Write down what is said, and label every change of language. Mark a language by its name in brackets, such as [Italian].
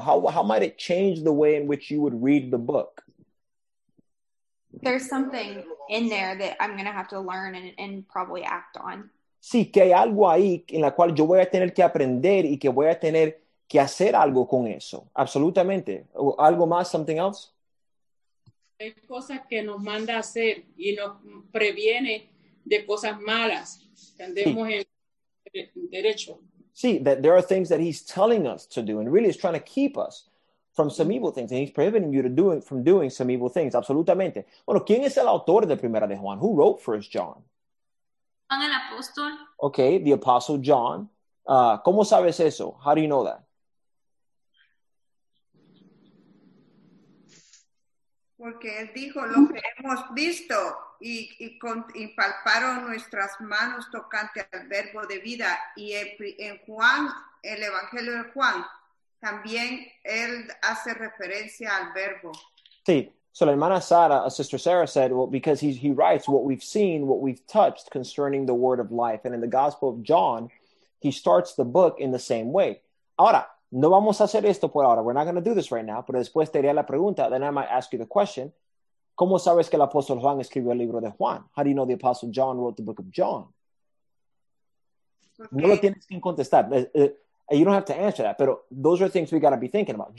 [English] How might it change the way in which you would read the book? There's something in there that I'm going to have to learn and probably act on. [Spanish] Sí, que hay algo ahí en la cual yo voy a tener que aprender y que voy a tener que hacer algo con eso. Absolutamente. ¿Algo más? [English] ¿Something else? [Spanish] Hay cosas que nos manda a hacer y nos previene de cosas malas. Andemos sí. En derecho. [English] Sí, that there are things that he's telling us to do and really is trying to keep us from some evil things, and he's prohibiting you from doing some evil things. [Spanish] Absolutamente. Bueno, ¿quién es el autor de Primera de Juan? [English] Who wrote First John? [Spanish] Juan el Apóstol. [English] Okay, the Apostle John. [Spanish] ¿Cómo sabes eso? [English] How do you know that? [Spanish] Porque él dijo, lo que hemos visto y palparon nuestras manos tocante al verbo de vida. Y en Juan, el Evangelio de Juan, también él hace referencia al verbo. Sí. So la hermana Sara, [English] a sister Sarah said, well, because he writes what we've seen, what we've touched concerning the word of life. And in the Gospel of John, he starts the book in the same way. [Spanish] Ahora, no vamos a hacer esto por ahora. [English] We're not going to do this right now. [Spanish] Pero después te haría la pregunta. [English] Then I might ask you the question. [Spanish] ¿Cómo sabes que el apóstol Juan escribió el libro de Juan? [English] How do you know the apostle John wrote the book of John? Okay. [Spanish] No lo tienes que contestar. [English] You don't have to answer that. Pero those are things we got to be thinking about.